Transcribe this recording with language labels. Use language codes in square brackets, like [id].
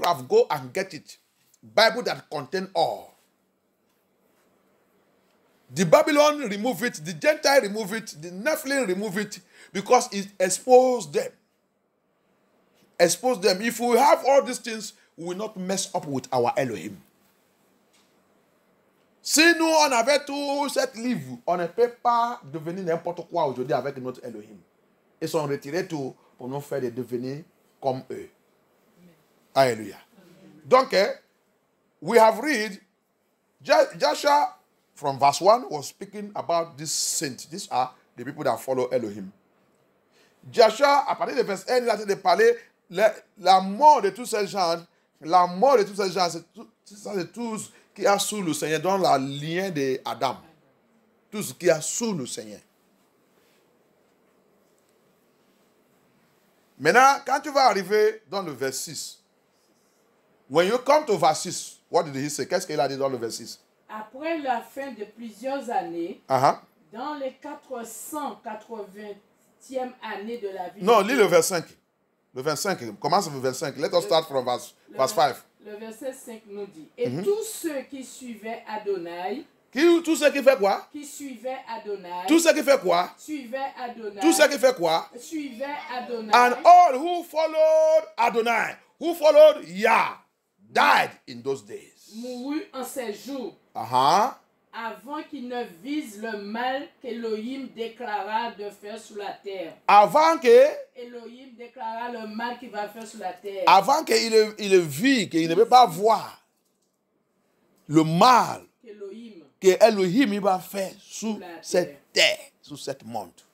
[en] Go and get it. Bible that contain all. The Babylon remove it. The Gentile remove it. The Nephilim remove it because it expose them. Expose them. If we have all these things, we will not mess up with our Elohim. [fr] Si nous, on avait tout cet livre, on ne peut pas devenir n'importe quoi aujourd'hui avec notre Elohim. Ils sont retirés tout pour nous faire devenir comme eux. Alléluia. [en] Donc, we have read, Joshua from verse 1 was speaking about this saint. These are the people that follow Elohim. [fr] Joshua, à partir de verse 1, il a dit de parler la mort de tous ces gens. La mort de tous ces gens, c'est tous qui a sous le Seigneur, dans la lien de Adam. Tout ce qui a sous le Seigneur. Maintenant, quand tu vas arriver dans le verset 6, [en] when you come to verse 6, what did he say? [fr] Qu'est-ce qu'il a dit dans le verset 6? Après la fin de plusieurs années, dans les 480e année de la vie. Non, lis le verset 5. Le 25, commence le 25. [en] Let us start from verse 5. [fr] Le verset 5 nous dit, et tous ceux qui suivaient Adonai, tous ceux qui fait quoi? Qui suivaient Adonai. Tous ceux qui fait quoi? Suivaient Adonai. Tous ceux qui fait quoi? Suivaient Adonai. [en] And all who followed Adonai, who followed Yah, died in those days. [fr] Mourut en ces jours. Avant qu'ils ne visent le mal qu'Elohim déclara de faire sur la terre. Avant que Elohim déclara le mal qu'il va faire sur la terre. Avant qu'il vit, qu'il ne peut pas voir le mal qu'Elohim va faire sur cette terre, sur cette monde.